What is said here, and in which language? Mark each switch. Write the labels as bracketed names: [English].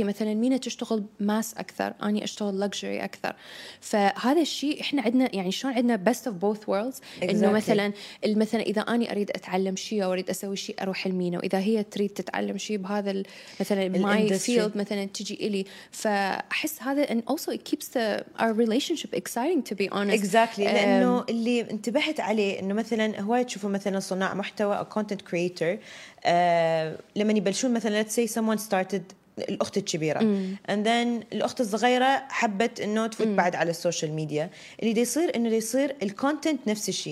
[Arabic] مثلاً مينا تشتغل ماس أكثر، أني أشتغل لكجري أكثر. فهذا الشيء إحنا عندنا، يعني شلون عندنا [English] best of both worlds. Exactly. [Arabic] إنه مثلاً إذا أني أريد أتعلم شيء أو أريد أسوي شيء أروح المينا، وإذا هي تريد تتعلم شيء بهذا مثلاً [English] my field [Arabic] مثلاً تجي إلي. فأحس هذا [English] and also it keeps the our relationship exciting to be honest. Exactly. [Arabic] لأنه اللي انتبهت عليه إنه مثلاً هو تشوفه مثلاً صناع محتوى أو [English] content creator، [Arabic] لما يبلشون مثلا [English] let's say someone started، [Arabic] الأخت الكبيرة [English] and then [Arabic] الأخت الصغيرة حبت أنه تفوت بعد على السوشيال ميديا، اللي دي يصير أنه دي يصير الكونتنت نفس الشيء.